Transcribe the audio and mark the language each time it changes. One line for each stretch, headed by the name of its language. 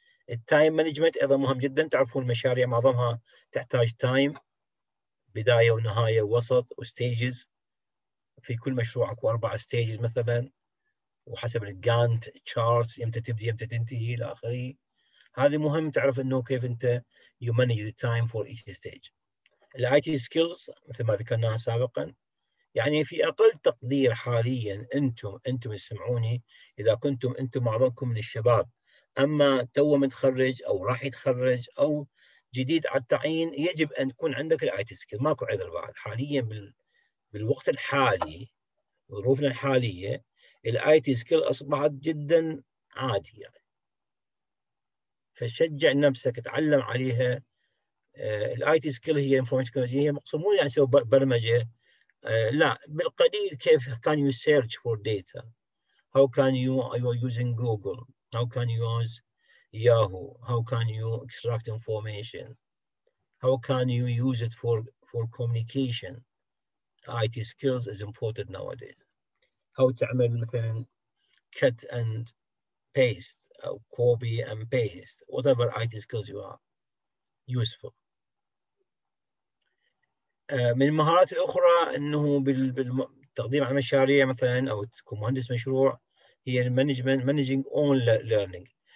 Arabic: التايم مانجمنت أيضا مهم جدا، تعرفون المشاريع معظمها تحتاج تايم، بداية ونهاية ووسط وستيجز، في كل مشروع أكو 4 ستيجز مثلا، وحسب الجانت تشارتس يمتى تبدي يمتى تنتهي إلى آخره. هذه مهم تعرف إنه كيف أنت
English: you manage the time for each stage.
Arabic: الـ IT skills مثل ما ذكرناها سابقا، يعني في أقل تقدير حاليا أنتم يسمعوني، إذا كنتم أنتم معظمكم من الشباب، أما توه متخرج أو راح يتخرج أو جديد على التعيين، يجب أن تكون عندك الـ IT skills. ماكو عذر بعد حاليا بالوقت الحالي ظروفنا الحالية، الـ IT skills أصبحت جدا عادي يعني. فشجع نفسك تعلم عليها الـ IT skills.
English: هي information technology،
Arabic: هي مقصود مو يعني سوي برمجة، لا، بالقليل كيف
English: can you search for data، how can you are using Google، how can you use Yahoo، how can you extract information، how can you use it for communication. IT skills is important nowadays. How to
Arabic: عمل مثلا
English: cut and paste أو copy and paste whatever IT skills you are useful.
Arabic: من المهارات الأخرى أنه بالتقديم على مشاريع مثلا أو تكون مهندس مشروع، هي management managing own learning.